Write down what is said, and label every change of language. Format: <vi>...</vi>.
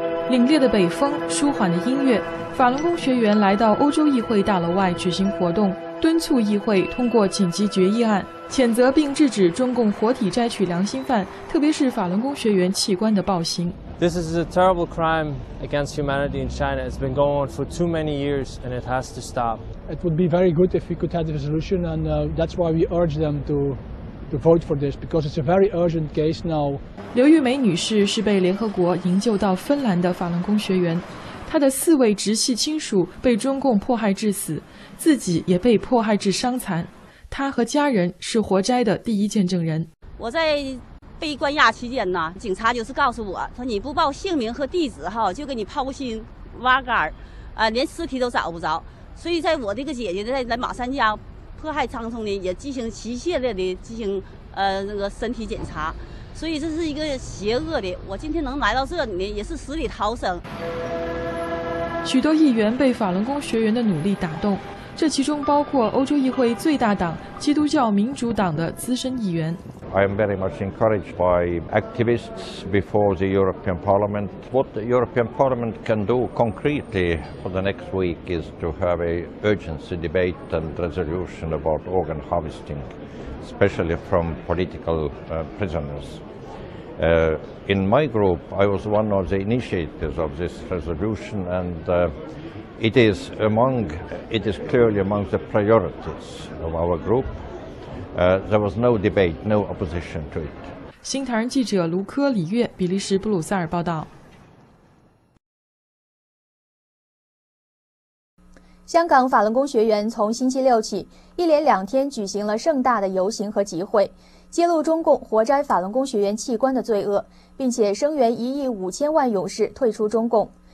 <zh>凛冽的北风，舒缓的音乐，法轮功学员来到欧洲议会大楼外举行活动，敦促议会通过紧急决议案，谴责并制止中共活体摘取良心犯，特别是法轮功学员器官的暴行。</zh> <en>This is a terrible crime against humanity in China. It's been going on for too many years, and it has to stop. It would be very good if we could have a resolution, and that's why we urge them to vote for this because it's a very urgent case now.</en> <zh>刘玉梅女士是被联合国营救到芬兰的法轮功学员，她的4位直系亲属被中共迫害致死，自己也被迫害致伤残。她和家人是活摘的第一见证人。我在被关押期间呢，警察就是告诉我，说你不报姓名和地址哈，就给你抛心挖肝，连尸体都找不着。所以在我这个姐姐在马三江迫害当中呢，也进行一系列的进行那个身体检查。所以这是一个邪恶的，我今天能来到这里呢，也是死里逃生。许多议员被法轮功学员的努力打动，这其中包括欧洲议会最大党基督教民主党的资深议员。</zh> <en>I am very much encouraged by activists before the European Parliament. What the European Parliament can do concretely for the next week is to have an urgency debate and resolution about organ harvesting, especially from political prisoners. In my group, I was one of the initiators of this resolution, and it is clearly among the priorities of our group. There was no debate, no opposition to it.</en> <zh>新唐人记者卢科、李月，比利时布鲁塞尔报道。香港法轮功学员从星期六起，一连两天举行了盛大的游行和集会，揭露中共活摘法轮功学员器官的罪恶，并且声援1亿5000万勇士退出中共。</zh>